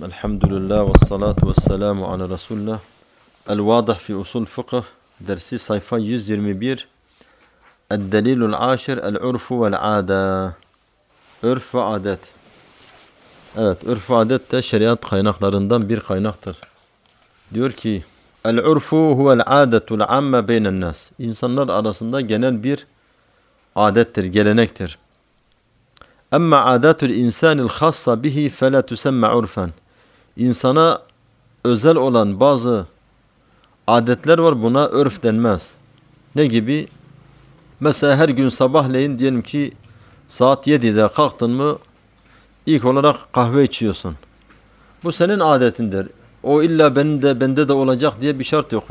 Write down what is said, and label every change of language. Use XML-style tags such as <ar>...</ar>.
<ar>الحمد لله والصلاة والسلام على رسول الله. الواضح في أصول الفقه درسي صيفا 121. الدليل العاشر العرف والعادة. عرف وعادات.</ar> <tr>Evet, عرف وعادات ده شريعت kaynaklarından bir kaynaktır. Diyor ki</tr> <ar>العرف هو العادة العامة بين الناس.</ar> <tr>İnsanlar arasında genel bir adettir, gelenektir.</tr> <ar>أما عادات الإنسان الخاصة به فلا تسمى عرفا.</ar> <tr>İnsana özel olan bazı adetler var, buna örf denmez. Ne gibi? Mesela her gün sabahleyin diyelim ki saat 7'de kalktın mı ilk olarak kahve içiyorsun. Bu senin adetindir. O illa bende de olacak diye bir şart yok.</tr>